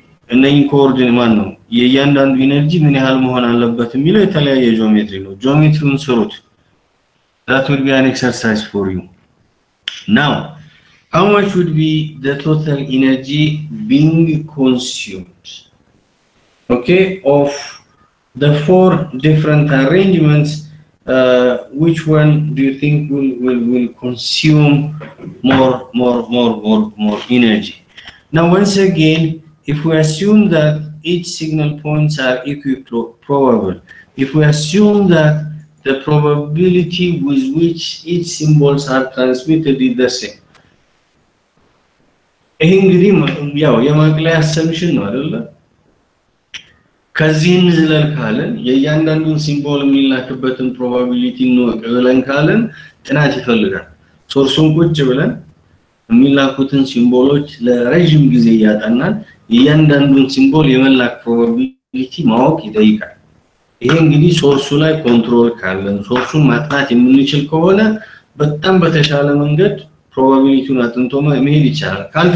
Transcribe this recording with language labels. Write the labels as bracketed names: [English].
[Amharic] እነኝ ኮኦርዲኔት ማን ነው የእያንዳንዱ ኢነርጂ ምን ያህል መሆን አለበት የሚለው የተለያየ ጂኦሜትሪ ነው ጂኦሜትሪውን ስሩት [English] That would be an exercise for you. Now, how much would be the total energy being consumed? Okay, of the four different arrangements, which one do you think will consume more energy? Now, once again, if we assume that each signal points are equiprobable, if we assume that the probability with which each symbols are transmitted is the same. [Amharic] እንግዲህ ያው የማግለያ አሰምሽን ነው አይደለ? ከዚህን ዝለል ካለን የእያንዳንዱን ሲምቦል የሚላክበትን ፕሮባቢሊቲ እንወቅ ብለን ካለን ጥናት ይፈልጋል። ሶርሱን ቁጭ ብለን የሚላኩትን ሲምቦሎች ለረዥም ጊዜ እያጠናን እያንዳንዱን ሲምቦል የመላክ ፕሮባቢሊቲ ማወቅ ይጠይቃል። ይሄ እንግዲህ ሶርሱ ላይ ኮንትሮል ካለን ሶርሱን ማጥናት የምንችል ከሆነ በጣም በተሻለ መንገድ ፕሮባቢሊቲውን አጥንቶ መሄድ ይቻላል።